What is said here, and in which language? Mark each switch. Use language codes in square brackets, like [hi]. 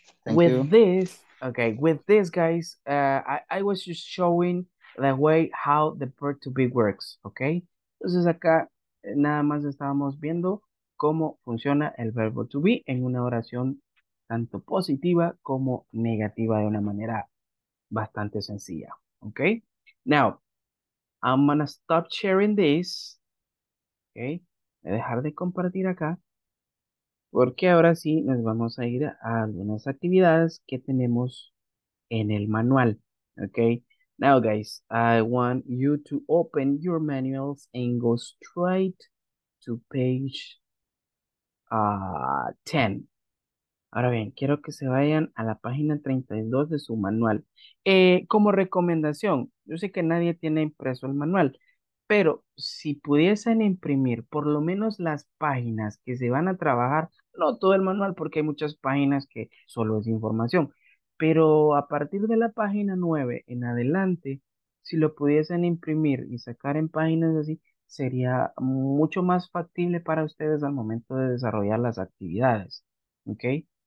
[en] With this, guys, I was just showing the way how the verb to be works, okay? [es] Entonces acá nada más estábamos viendo cómo funciona el verbo to be en una oración tanto positiva como negativa de una manera bastante sencilla, okay? [en] Now, I'm gonna stop sharing this, okay? [es] Voy a dejar de compartir acá. Porque ahora sí nos vamos a ir a algunas actividades que tenemos en el manual, okay? [en] Now, guys, I want you to open your manuals and go straight to page 10. [es] Ahora bien, quiero que se vayan a la página 32 de su manual. Como recomendación, yo sé que nadie tiene impreso el manual, pero si pudiesen imprimir por lo menos las páginas que se van a trabajar, no todo el manual porque hay muchas páginas que solo es información, pero a partir de la página 9 en adelante, si lo pudiesen imprimir y sacar en páginas así, sería mucho más factible para ustedes al momento de desarrollar las actividades, ¿ok?